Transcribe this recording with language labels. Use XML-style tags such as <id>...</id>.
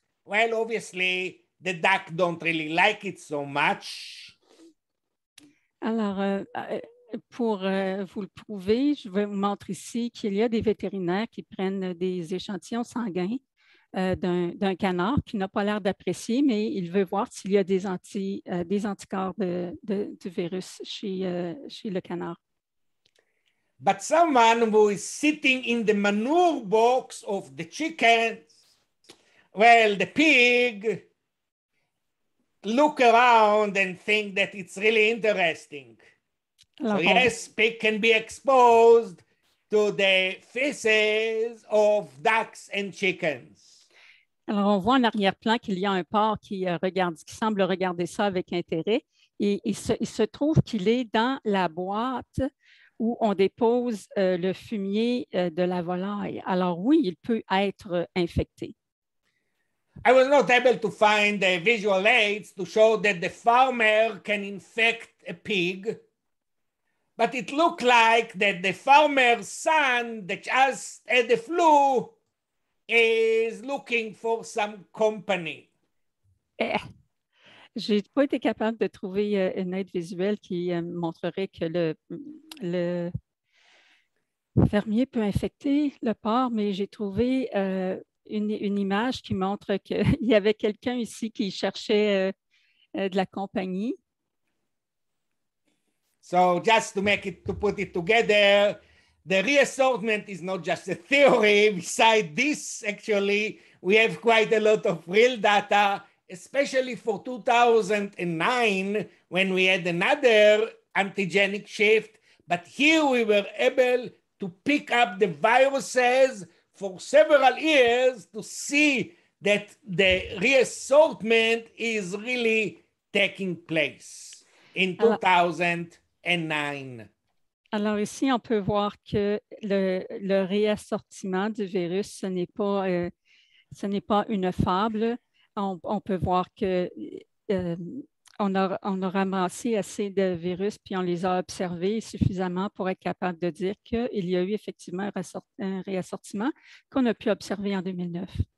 <en>Well, obviously, the duck don't really like it so much.</en> <fr>Alors, pour vous le prouver, je vais vous montrer ici qu'il y a des vétérinaires qui prennent des échantillons sanguins d'un canard qui n'a pas l'air d'apprécier, mais il veut voir s'il y a des anticorps du virus chez le canard.</fr> <en>But someone who is sitting in the manure box of the chicken, well, the pig, look around and think that it's really interesting. So yes, pig can be exposed to the feces of ducks and chickens.</en> <fr>Alors, on voit en arrière-plan qu'il y a un porc qui semble regarder ça avec intérêt. Et il se trouve qu'il est dans la boîte où on dépose le fumier de la volaille. Alors oui, il peut être infecté.</fr> <en>I was not able to find the visual aids to show that the farmer can infect a pig, but it looked like that the farmer's son that just had the flu is looking for some company.</en> <fr>J'ai pas été capable de trouver une aide visuelle qui montrerait que le fermier peut infecter le porc, mais j'ai trouvé une image qui montre qu'il y avait quelqu'un ici qui cherchait de la compagnie.</fr> <en>So just to put it together, the reassortment is not just a theory. Beside this, actually, we have quite a lot of real data, especially for 2009 when we had another antigenic shift. But here we were able to pick up the viruses for several years to see that the reassortment is really taking place in 2009.</en> <fr>Alors ici, on peut voir que le réassortiment du virus, ce n'est pas une fable. On peut voir que on a ramassé assez de virus puis on les a observés suffisamment pour être capable de dire qu'il y a eu effectivement un réassortiment qu'on a pu observer en 2009.</fr>